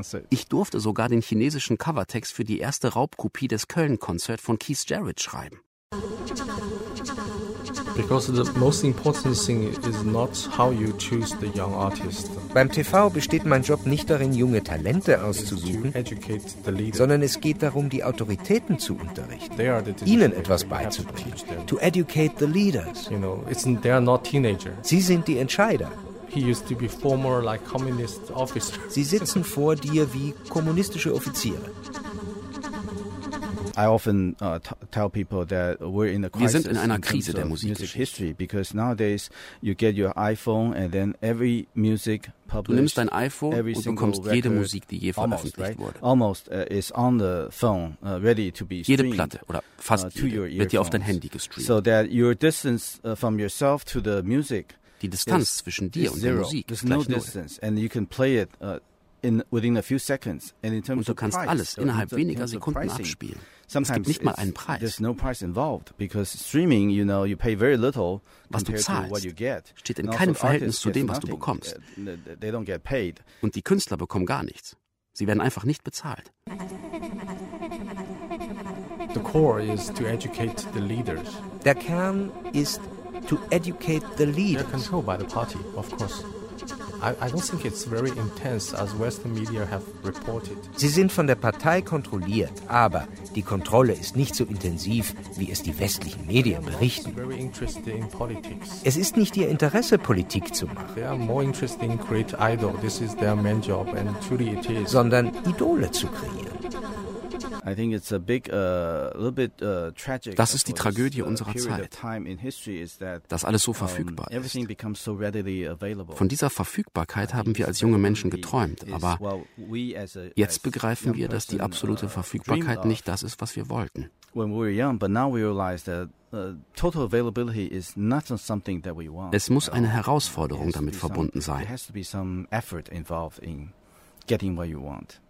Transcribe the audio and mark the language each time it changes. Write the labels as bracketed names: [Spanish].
[German] Ich durfte sogar den chinesischen Covertext für die erste Raubkopie des Köln-Konzert von Keith Jarrett schreiben. [English] Because the most important thing is not how you choose the young artist. [German] Beim TV besteht mein Job nicht darin, junge Talente auszusuchen, sondern es geht darum, die Autoritäten zu unterrichten, ihnen etwas beizubringen. [English] To educate the leaders. You know, they are not teenagers. [German] Sie sind die Entscheider. [English] He used to be former like communist officer. [German] Sie sitzen vor dir wie kommunistische Offiziere. [English] I often tell people that we're in a crisis. [German] Wir sind in einer Krise der Musikgeschichte. [English] Because nowadays you get your iPhone and then every music published. [German] Du nimmst dein iPhone und bekommst jede Musik, die je veröffentlicht [English] almost, [German] wurde. [English] Almost is on the phone, ready to be streamed. [German] Jede Platte oder fast jede wird dir auf dein Handy gestreamt. [English] So that your distance from yourself to the music. [German] Die Distanz zwischen dir und der Musik. [English] There's no distance and you can play it within a few seconds and in terms [German] und du kannst [English] price, [German] alles innerhalb weniger Sekunden abspielen. [English] Sometimes [German] es gibt nicht mal einen Preis. [English] There's no price involved because streaming, you know, you pay very little [German] was [English] compared [German] du zahlst, [English] to what you get. [German] Steht in keinem Verhältnis zu dem, was du bekommst. [English] They don't get paid. [German] Und die Künstler bekommen gar nichts. Sie werden einfach nicht bezahlt. [English] The core is to educate the leaders. [German] Der Kern ist [English] to educate the leaders. They're controlled by the party, of course. I don't think it's very intense as Western media have reported. [German] Sie sind von der Partei kontrolliert, aber die Kontrolle ist nicht so intensiv, wie es die westlichen Medien berichten. [English] They are more interested in politics. [German] Es ist nicht ihr Interesse, Politik zu machen. [English] They are more interested in create idol. This is their main job and truly it is. [German] Sondern Idole zu kreieren. [English] I think it's a big little bit tragic. [German] Das ist die Tragödie unserer Zeit. [English] Time in history is that [German] das alles so verfügbar ist. [English] Everything becomes so readily available. [German] Von dieser Verfügbarkeit haben wir als junge Menschen geträumt, aber jetzt begreifen wir, dass die absolute Verfügbarkeit nicht das ist, was wir wollten. [English] When we were young, but now we realize that total availability is not something that we want. [German] Es muss eine Herausforderung damit verbunden sein. [English] There has to be some effort involved in getting what you want.